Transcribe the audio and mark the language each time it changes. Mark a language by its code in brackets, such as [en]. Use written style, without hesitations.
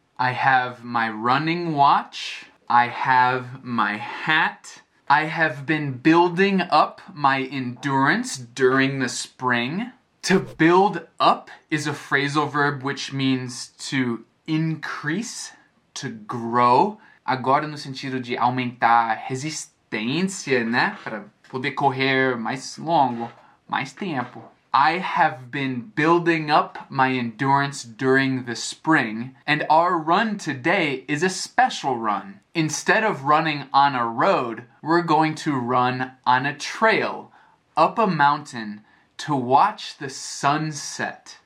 [en] I have my running watch, I have my hat, I have been building up my endurance during the spring. To build up is a phrasal verb which means to increase, to grow. [pt] Agora no sentido de aumentar resistência, né? Para poder correr mais longo, mais tempo. [en] I have been building up my endurance during the spring, and our run today is a special run. Instead of running on a road, we're going to run on a trail up a mountain to watch the sunset.